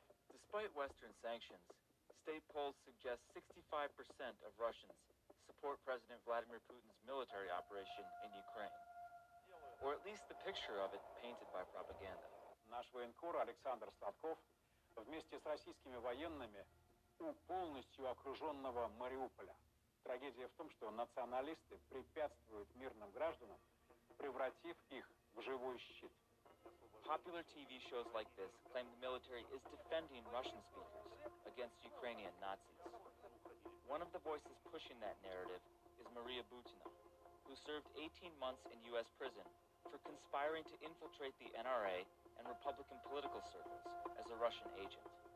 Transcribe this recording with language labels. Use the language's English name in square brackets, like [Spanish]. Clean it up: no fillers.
[English] Despite Western sanctions, state polls suggest 65% of Russians support President Vladimir Putin's military operation in Ukraine. Or at least the picture of it painted by propaganda. [Russian] Наш военкор Александр Сладков вместе с российскими военными у полностью окруженного Мариуполя. Трагедия в том, что националисты препятствуют мирным гражданам, превратив их в живой щит. [English] Popular TV shows like this claim the military is defending Russian speakers against Ukrainian Nazis. One of the voices pushing that narrative is Maria Butina, who served 18 months in U.S. prison for conspiring to infiltrate the NRA and Republican political circles as a Russian agent.